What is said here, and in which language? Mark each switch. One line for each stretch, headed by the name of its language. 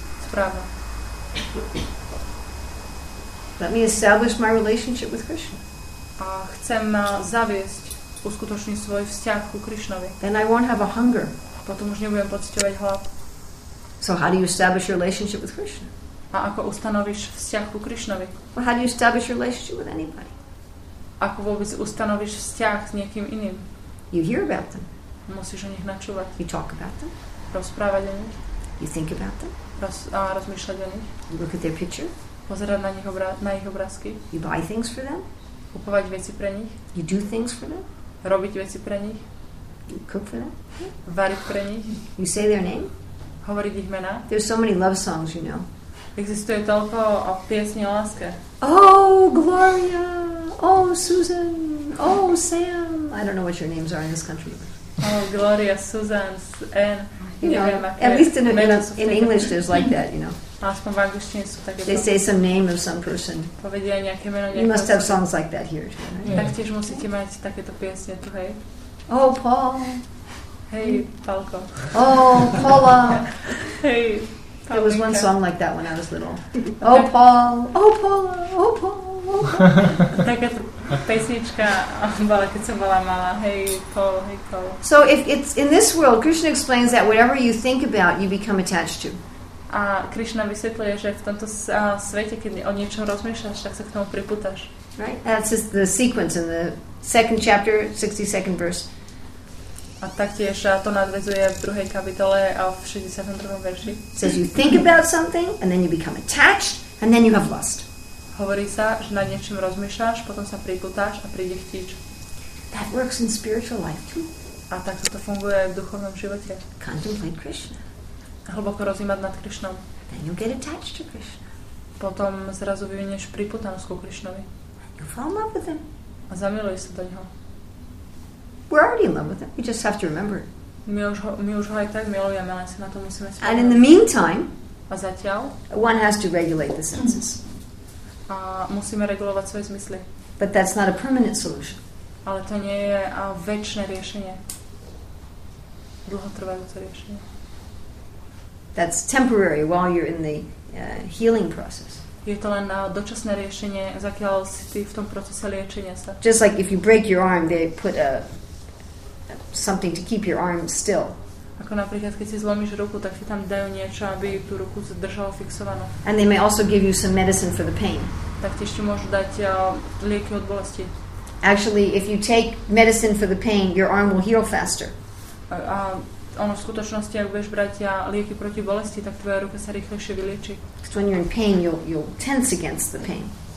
Slovak: Správne.
English: Let me establish my relationship with Krishna.
Slovak: A chcem zaviesť, uskutočniť svoj vzťah ku Krishnovi.
English: Then I won't have a hunger.
Slovak: Potom už nebudem pociťovať hlad.
English: So how do you establish your relationship with Krishna?
Slovak: A ako ustanoviš vzťah ku Krishnovi?
English: Well, how do you establish your relationship with anybody?
Slovak: Ako vôbec ustanoviš vzťah s niekým iným?
English: You hear about them.
Slovak: Musíš o nich načúvať.
English: You talk about them.
Slovak: Rozprávať o nich.
English: You think about them.
Slovak: Rozmýšľať o nich.
English: You look at their picture.
Slovak: Pozerať na nich na ich obrázky.
English: You buy things for them.
Slovak: Kupovať veci pre nich.
English: You do things for them.
Slovak: Robiť veci pre nich.
English: You cook for them.
Slovak: Variť pre nich.
English: You say their name.
Slovak: Hovoriť ich mená.
English: There's so many love songs, you know.
Slovak: Existuje toľko o piesni o láske.
English: Oh, Gloria! Oh, Susan! Oh, Sam! I don't know what your names are in this country. Oh, Gloria, Susan, Anne. You know, at least in English there's like that, you know.
Slovak: Aspoň v angličtine sú takéto.
English: They say some name of some person.
Slovak: Povedia nejaké meno.
English: You must have songs like that here. Too, right? Yeah.
Slovak: Taktiež musíte mať takéto piesne tu, hej?
English: Oh, Paul! Hey, Palko. Oh, Paula! Hey, Paul. There was one song like that when I was little. Oh, Paul! Oh, Paula! Oh, Paul!
Slovak: Takáto pesnička bola, keď som bola malá.
English: Hey, Paul, hey, Paul. So if it's in this world, Krishna explains that whatever you think about, you become attached to.
Slovak: A Krishna vysvetľuje, že v tomto svete, keď o niečom rozmýšľaš, tak sa k tomu priputáš.
English: Right? That's just the sequence in the second chapter, 62nd verse.
Slovak: A taktiež to nadväzuje v druhej kapitole a v 62. verši.
English: It says you think about something, and then you become attached, and then you have lust.
Slovak: Hovorí sa, že nad niečím rozmýšľaš, potom sa priputáš a príde chtíč.
English: That works in spiritual life too.
Slovak: A tak to funguje aj v duchovnom živote.
English: Contemplate Krishna.
Slovak: A hlboko rozjímať nad Krishnom.
English: Then you get attached to Krishna.
Slovak: Potom zrazu vyvinieš priputanosť ku Krishnovi.
English: You fall in love with him.
Slovak: A zamiluješ sa do neho.
English: We're already in love with him. We just have to remember.
Slovak: My už ho aj tak milujeme, len si na to musíme spomenúť.
English: And in the meantime,
Slovak: a zatiaľ,
English: one has to regulate the senses.
Slovak: A musíme regulovať svoje zmysly.
English: But that's not a permanent solution.
Slovak: Ale to nie je večné riešenie. Dlhotrvajúce riešenie.
English: That's temporary while you're in the healing process.
Slovak: Je to len dočasné riešenie, zakiaľ si ty v tom procese liečenia sa.
English: Just like if you break your arm, they put a something to keep your arm still.
Slovak: Ako napríklad, keď si zlomíš ruku, tak ti tam dajú niečo, aby tú ruku držalo fixovanú.
English: And they may also give you some medicine for the pain.
Slovak: Taktiež ti môžu dať lieky od bolesti.
English: Actually, if you take medicine for the pain, your arm will heal faster.
Slovak: A ono v skutočnosti, ak budeš brať lieky proti bolesti, tak tvoja ruka sa rýchlejšie vylieči.
English: Because when you're in pain, you'll tense against the pain.